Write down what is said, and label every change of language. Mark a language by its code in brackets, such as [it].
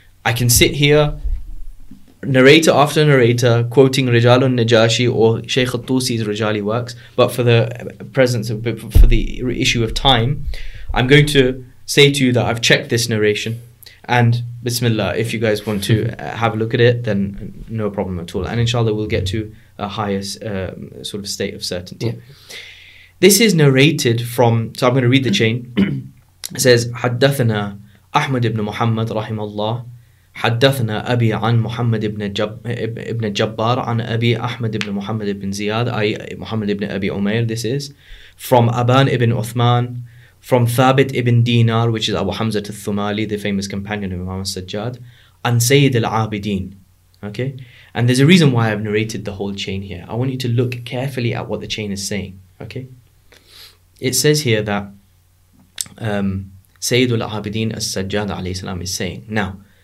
[en] I can sit here, narrator after narrator, quoting Rijalun Najashi or Shaykh al-Tusi's Rijali works, but for the presence of, for the issue of time, I'm going to say to you that I've checked this narration, and Bismillah, if you guys want to have a look at it, then no problem at all. And inshallah, we'll get to a higher sort of state of certainty. Yeah. This is narrated from, so I'm going to read the chain. It says, [ar] Haddathana Ahmad ibn Muhammad rahimahullah, حدثنا أبي عن محمد ابن ابن جبار عن أبي أحمد ابن محمد ابن زياد أي محمد ابن أبي عمير. [en] This is from Aban ibn Uthman, from Thabit ibn Dinar, which is Abu Hamza al-Thumali, the famous companion of Imam al-Sajjad, and Sayyid al-Abidin. Okay, and there's a reason why I've narrated the whole chain here. I want you to look carefully at what the chain is saying. Okay, it says here that Sayyid al-Abidin al-Sajjad alayhi salam is saying now.